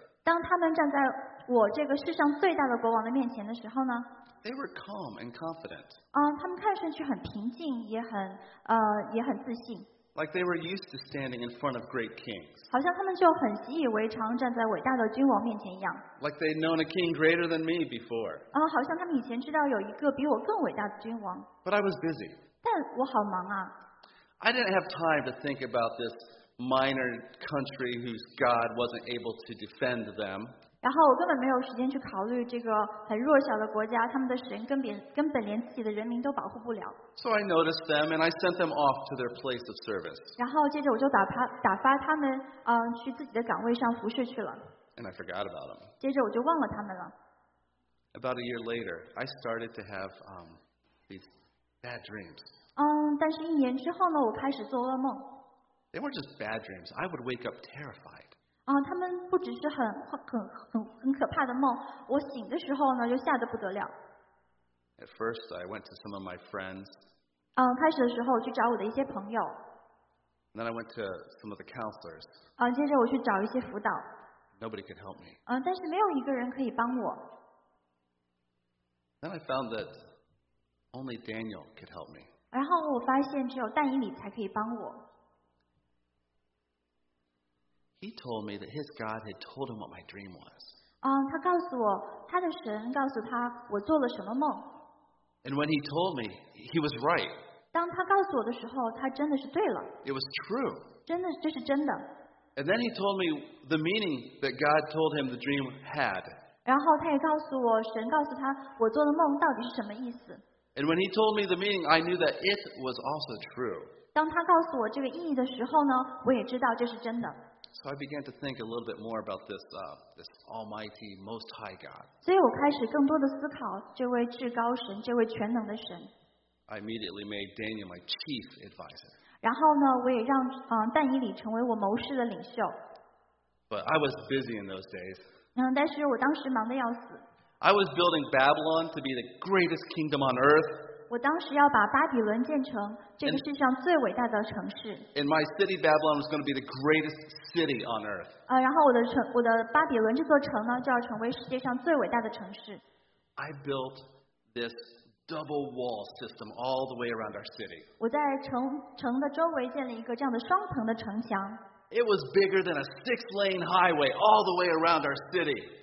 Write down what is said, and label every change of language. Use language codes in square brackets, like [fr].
[zh] 当他们站在我这个世上最大的国王的面前的时候呢？ [en] They were calm and confident. [zh] 他们看上去很平静，也很自信。 [en] Like they were used to standing in front of great kings. [zh] 好像他们就很习以为常站在伟大的君王面前一样。 [en] Like they'd known a king greater than me before. [zh] 好像他们以前知道有一个比我更伟大的君王。 [en] But I was busy. [zh] 但我好忙啊。 [en] I didn't have time to think about this minor country whose God wasn't able to defend them. [zh] 然后我根本没有时间去考虑这个很弱小的国家，他们的神根本连自己的人民都保护不了。 [en] So I noticed them and I sent them off to their place of service. [zh] 然后接着我就打发他们，去自己的岗位上服侍去了。 [en] And I forgot about them. [zh] 接着我就忘了他们了。 [en] About a year later, I started to have these bad dreams. [zh] 但是一年之后呢，我开始做噩梦。 [en] They weren't just bad dreams. I would wake up terrified. [zh] 他们不只是 很可怕的梦，我醒的时候呢就吓得不得了。 [en] At first, I went to some of my friends. [zh] 开始的时候我去找我的一些朋友。 [en] And then I went to some of the counselors. [zh] 接着我去找一些辅导。 [en] Nobody could help me. [zh] 但是没有一个人可以帮我。 [en] Then I found that only Daniel could help me. [zh] 然后我发现只有但以理才可以帮我。 [en] He told me that his God had told him what my dream was. [zh] 他告诉我，他的神告诉他我做了什么梦。 [en] And when he told me, he was right. [zh] 当他告诉我的时候，他真的是对了。 [en] It was true. [zh] 真的，这是真的。 [en] And then he told me the meaning that God told him the dream had. [zh] 然后他也告诉我，神告诉他我做的梦到底是什么意思。 [en] And when he told me the meaning, I knew that it was also true. [zh] 当他告诉我这个意义的时候呢，我也知道这是真的。 [en] So I began to think a little bit more about this Almighty, Most High God. [zh] 所以我开始更多的思考这位至高神，这位全能的神。 [en] I immediately made Daniel my chief advisor. [zh] 然后呢，我也让但以理成为我谋士的领袖。 [en] But I was busy in those days. [zh] 但是我当时忙得要死。 [en] I was building Babylon to be the greatest kingdom on earth. [zh] 我当时要把巴比伦建成这个世上最伟大的城市。 [en] And my city Babylon was going to be the greatest. City on earth. [zh] 然后我的巴比伦这座城呢，就要成为世界上最伟大的城市。 [en] I built this double wall system all the way around our city. [zh] 我在城的周围建立一个这样的双层的城墙。 [en] It was bigger than a six-lane highway all the way around our city.